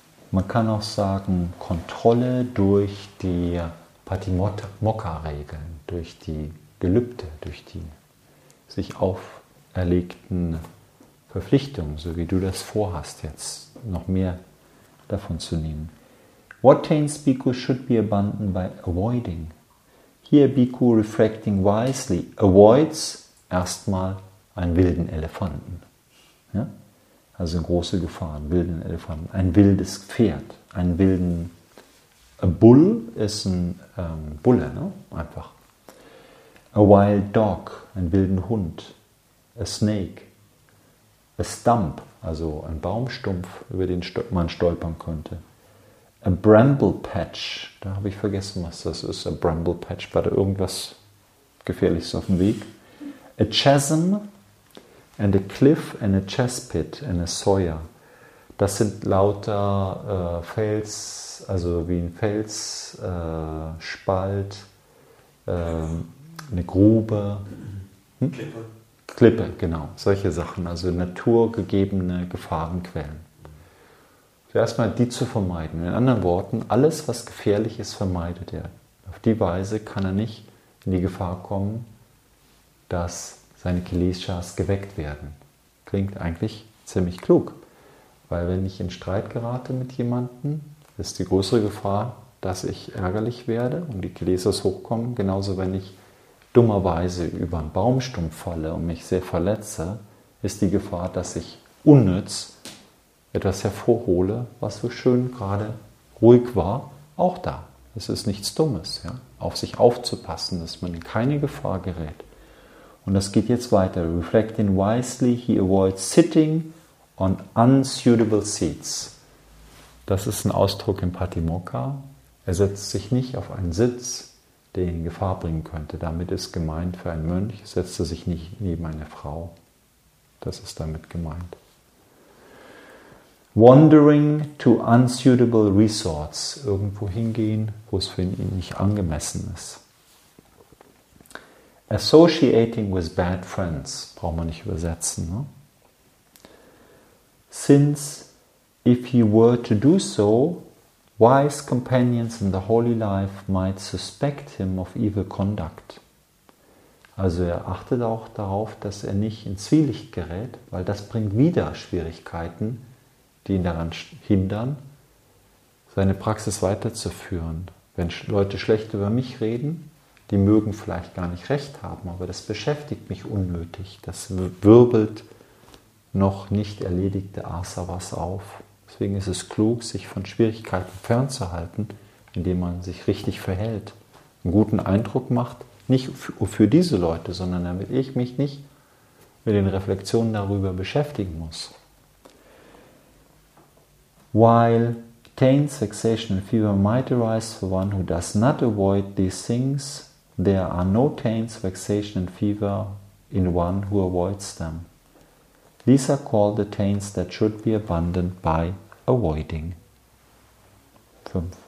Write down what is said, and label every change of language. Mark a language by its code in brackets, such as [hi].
[de] Man kann auch sagen, Kontrolle durch die Patimokkha-Regeln, durch die Gelübde, durch die sich auferlegten Verpflichtung, so wie du das vorhast, jetzt noch mehr davon zu nehmen. [en] What taints Bhikkhu should be abandoned by avoiding? Here Bhikkhu reflecting wisely avoids [de] erstmal einen wilden Elefanten. Ja? Also eine große Gefahr, einen wilden Elefanten, ein wildes Pferd, einen wilden [en] a Bull [de] ist ein Bulle, ne? Einfach. [en] A wild dog, [de] einen wilden Hund, [en] a snake. A stump, [de] also ein Baumstumpf, über den man stolpern könnte. [en] A bramble patch, [de] da habe ich vergessen, was das ist. [en] A bramble patch, [de] war da irgendwas Gefährliches auf dem Weg? [en] A chasm and a cliff and a chesspit and a sawyer. [de] Das sind lauter Fels, also wie ein Felsspalt, eine Grube. Klippe, genau, solche Sachen, also naturgegebene Gefahrenquellen. Zuerst mal die zu vermeiden. In anderen Worten, alles, was gefährlich ist, vermeidet er. Auf die Weise kann er nicht in die Gefahr kommen, dass seine Kileshas geweckt werden. Klingt eigentlich ziemlich klug. Weil wenn ich in Streit gerate mit jemandem, ist die größere Gefahr, dass ich ärgerlich werde und die Gläser hochkommen. Genauso, wenn ich dummerweise über einen Baumstumpf falle und mich sehr verletze, ist die Gefahr, dass ich unnütz etwas hervorhole, was so schön gerade ruhig war, auch da. Es ist nichts Dummes, ja? Auf sich aufzupassen, dass man in keine Gefahr gerät. Und das geht jetzt weiter. [en] Reflecting wisely, he avoids sitting on unsuitable seats. [de] Das ist ein Ausdruck im Patimokkha. Er setzt sich nicht auf einen Sitz, der ihn in Gefahr bringen könnte. Damit ist gemeint, für einen Mönch setzt er sich nicht neben eine Frau. Das ist damit gemeint. [en] Wandering to unsuitable resorts. [de] Irgendwo hingehen, wo es für ihn nicht angemessen ist. [en] Associating with bad friends. [de] Braucht man nicht übersetzen. Ne? [en] Since if he were to do so, wise companions in the holy life might suspect him of evil conduct. [de] Also er achtet auch darauf, dass er nicht in Zwielicht gerät, weil das bringt wieder Schwierigkeiten, die ihn daran hindern, seine Praxis weiterzuführen. Wenn Leute schlecht über mich reden, die mögen vielleicht gar nicht recht haben, aber das beschäftigt mich unnötig. Das wirbelt noch nicht erledigte Asavas auf. Deswegen ist es klug, sich von Schwierigkeiten fernzuhalten, indem man sich richtig verhält, einen guten Eindruck macht, nicht für diese Leute, sondern damit ich mich nicht mit den Reflexionen darüber beschäftigen muss. [en] While pain, sensation and fever might arise for one who does not avoid these things, there are no pain, sensation and fever in one who avoids them. These are called the taints that should be abandoned by avoiding. 5.